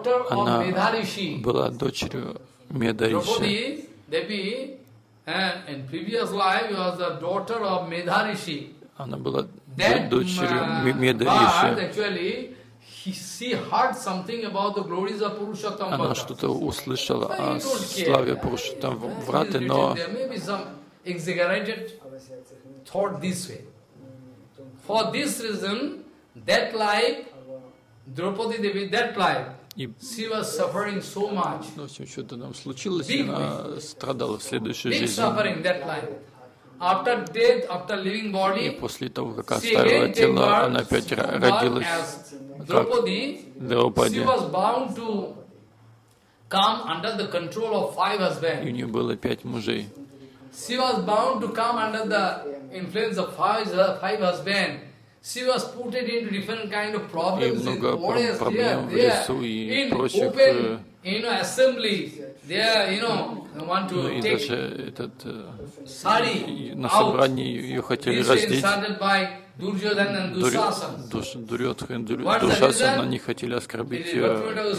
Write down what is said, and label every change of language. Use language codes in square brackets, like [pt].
[ru] она была дочерью Медариши. [en] In previous life, she was the daughter of Medharishi. [ru] Она была дочерью Медариши. [en] But actually, she heard something about the glories of Purushottam Vrata. [ru] Она что-то услышала о славе Пурушоттам Враты, но [en] there may be some exaggerated thought this way. For this reason, that life, Draupadi Devi, that life. [ru] И, [en] she was suffering so much. [ru] Ну, все, что-то там случилось, она страдала в следующей жизни. [en] Big suffering that life. After death, after leaving body, [ru] и после того, как оставила тело, она опять родилась как Драупади. [en] She was bound to come under the control of five husbands. [ru] И у нее было пять мужей. [en] She was bound to come under the influence of five husbands. She was put into different kind of problems. [ru] И много проблем в лесу и прочих. [en] In open, you know, assembly, there, you know, want to take. [ru] И даже этот сари на собрании ее хотели раздеть. [en] This started by Duryodhana and Dushasana. [ru] Дурьотхана не хотели оскорбить ее.